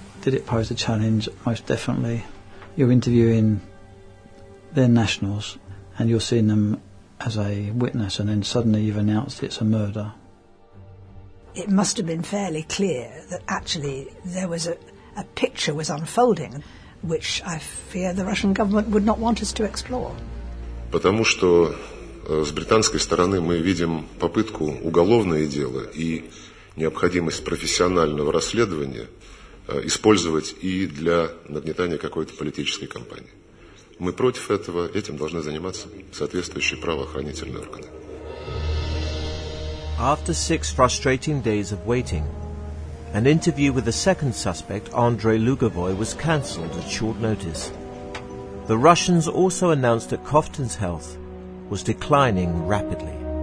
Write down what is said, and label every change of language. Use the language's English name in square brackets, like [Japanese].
[English] Did it pose a challenge? Most definitely. You're interviewing their nationals and you're seeing them as a witness, and then suddenly you've announced it's a murder. It must have been fairly clear that actually there was a picture was unfolding, which I fear the Russian government would not want us to explore. [Russian] Потому что с британской стороны мы видим попытку уголовное дело и необходимость профессионального расследования использовать и для нагнетания какой-то политической кампании. Мы против этого, этим должны заниматься соответствующие правоохранительные органы. [English] After 6 frustrating days of waiting, an interview with the second suspect, Andrei Lugovoy, was cancelled at short notice. The Russians also announced that Cofton's health was declining rapidly.